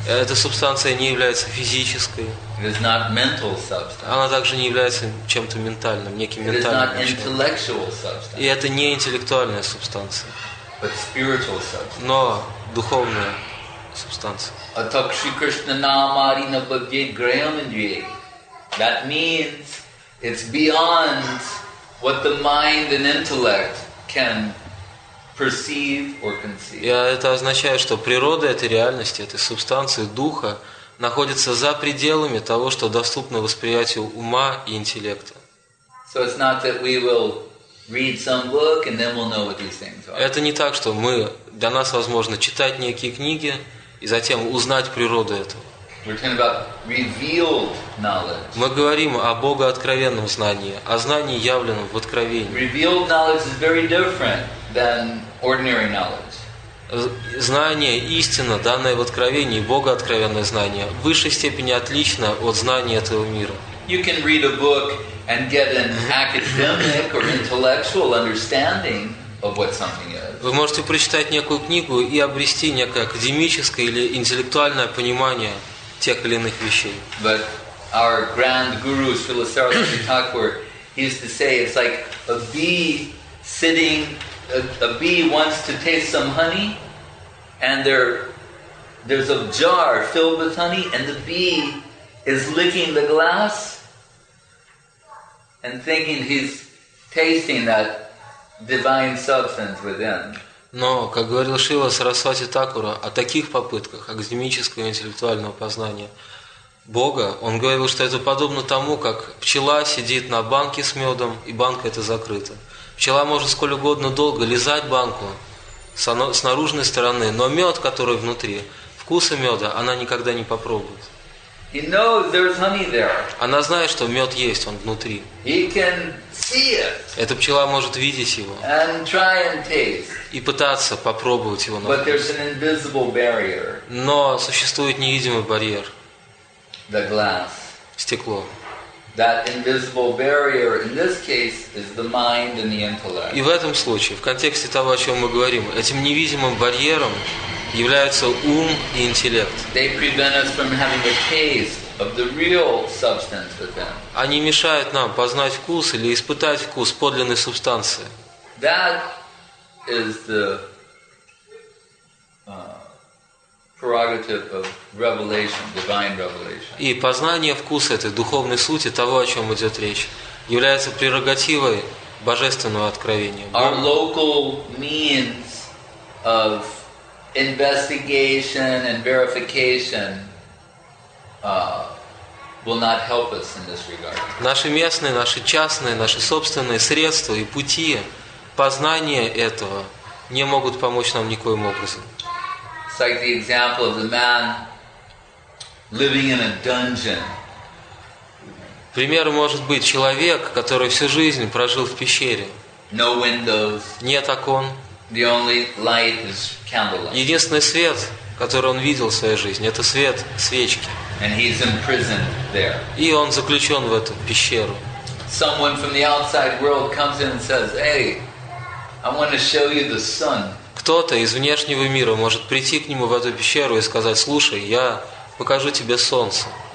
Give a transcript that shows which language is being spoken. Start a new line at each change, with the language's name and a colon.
Russian: Эта субстанция не является физической.
English: It is not mental substance.
Russian: Она также не является чем-то ментальным, неким ментальным.
English: It is not intellectual substance.
Russian: И это не интеллектуальная субстанция.
English: But spiritual substance.
Russian: Но духовная субстанция.
Sanskrit: Atak Shri Krishna Namari Nabhavye Grahamandye.
English: That means it's beyond what the mind and intellect can perceive or conceive.
Russian: Это означает, что природа этой реальности, этой субстанции, духа, находится за пределами того, что доступно восприятию ума и интеллекта.
English: So it's not that we will read some book and then we'll know what these things are.
Russian: Это не так, что мы, для нас возможно читать некие книги и затем узнать природу этого.
English: We're talking about revealed knowledge.
Russian: Мы говорим о богооткровенном знании, о знании, явленном в откровении.
English: Revealed knowledge is very different than ordinary knowledge.
Russian: Знание, истина, данное в откровении, богооткровенное знание, в высшей степени отлично от знания этого мира.
English: You can read a book and get an academic or intellectual understanding of what something is.
Russian: Вы можете прочитать некую книгу и обрести некое академическое или интеллектуальное понимание тех или иных вещей.
English: But our grand guru, Srila Saraswati Thakur, he used to say it's like a bee sitting. A bee wants to taste some honey, and there's a jar filled with honey, and the bee is licking the glass and thinking he's tasting that divine substance within.
Russian: Но, как говорил Шрила Сарасвати Такура, о таких попытках академического и интеллектуального познания Бога, он говорил, что это подобно тому, как пчела сидит на банке с медом, и банка эта закрыта. Пчела может сколь угодно долго лизать банку с наружной стороны, но мед, который внутри, вкуса меда она никогда не попробует.
English: He knows there's honey there.
Russian: Она знает, что мед есть, он внутри.
English: He can see it.
Russian: Эта пчела может видеть его.
English: And try and taste.
Russian: И пытаться попробовать его на вкус.
English: But there's an invisible barrier.
Russian: Но существует невидимый барьер.
English: The glass.
Russian: Стекло.
English: That invisible barrier in this case is the mind and the intellect.
Russian: И в этом случае, в контексте того, о чем мы говорим, этим невидимым барьером являются ум и интеллект.
English: They prevent us from having a taste of the real substance within.
Russian: Они мешают нам познать вкус или испытать вкус подлинной субстанции.
English: That is the prerogative of revelation, divine revelation.
Russian: И познание вкуса этой духовной сути того, о чем идет речь, является прерогативой божественного откровения.
English: Our local means of investigation and verification will not help us in this regard.
Russian: Наши местные, наши частные, наши собственные средства и пути познания этого не могут помочь нам никоим образом.
English: It's like the example of the man living in a dungeon.
Russian: Пример может быть человек, который всю жизнь прожил в пещере.
English: No windows.
Russian: Нет окон.
English: The only light is candlelight.
Russian: Единственный свет, который он видел в своей жизни, это свет свечки.
English: And he's imprisoned there.
Russian: И он заключен в эту пещеру.
English: Someone from the outside world comes in and says, "Hey, I want to show you the sun."
Russian: Кто-то из внешнего мира может прийти к нему в эту пещеру и сказать, слушай, я покажу тебе солнце.